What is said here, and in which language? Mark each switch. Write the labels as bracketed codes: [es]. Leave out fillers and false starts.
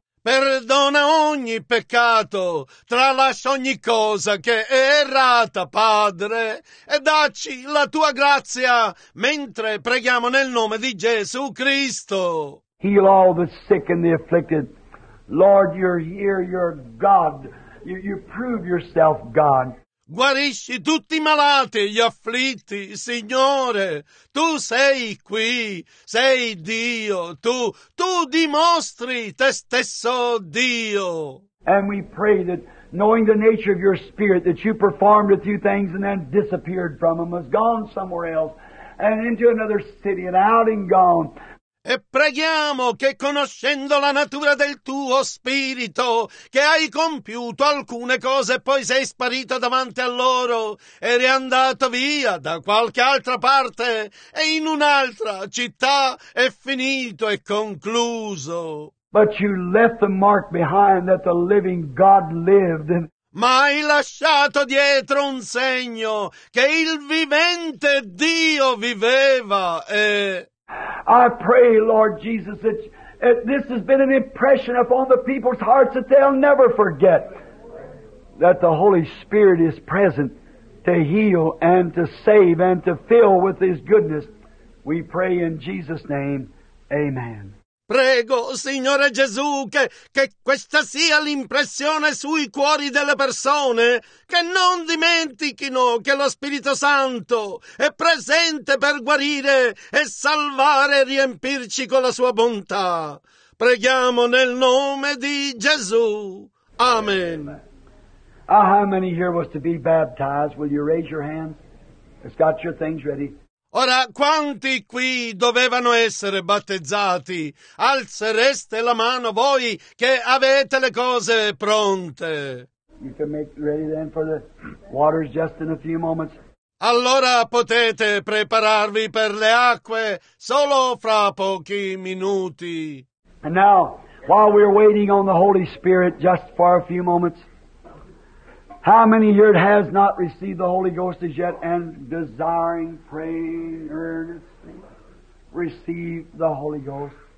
[it] Perdona ogni peccato, tralascia ogni cosa che è errata, Padre, e dacci la tua grazia mentre preghiamo nel nome di Gesù Cristo. [en] Heal all the sick and the afflicted. Lord, you're here, you're God. You prove yourself God. [it] Guarisci tutti i malati e gli afflitti, Signore. Tu sei qui, sei Dio. Tu dimostri te stesso Dio. [en] And we pray that, knowing the nature of your spirit, that you performed a few things and then disappeared from them, has gone somewhere else, and into another city, and out and gone. [it] E preghiamo che, conoscendo la natura del tuo spirito, che hai compiuto alcune cose e poi sei sparito davanti a loro, eri andato via da qualche altra parte e in un'altra città è finito e concluso. [en] But you left the mark behind that the living God lived. [it] Ma hai lasciato dietro un segno che il vivente Dio viveva e... [en] I pray, Lord Jesus, that this has been an impression upon the people's hearts that they'll never forget that the Holy Spirit is present to heal and to save and to fill with His goodness. We pray in Jesus' name. Amen. [it] Prego, Signore Gesù, che questa sia l'impressione sui cuori delle persone, che non dimentichino che lo Spirito Santo è presente per guarire e salvare e riempirci con la sua bontà. Preghiamo nel nome di Gesù. Amen. [en] How many here was to be baptized? Will you raise your hand? It's got your things ready. [it] Ora, quanti qui dovevano essere battezzati? Alzereste la mano voi che avete le cose pronte. [en] You can make ready then for the waters just in a few moments. [it] Allora potete prepararvi per le acque solo fra pochi minuti. [en] And now, while we're waiting on the Holy Spirit just for a few moments, how many here has not received the Holy Ghost as yet and desiring, praying earnestly, receive the Holy Ghost?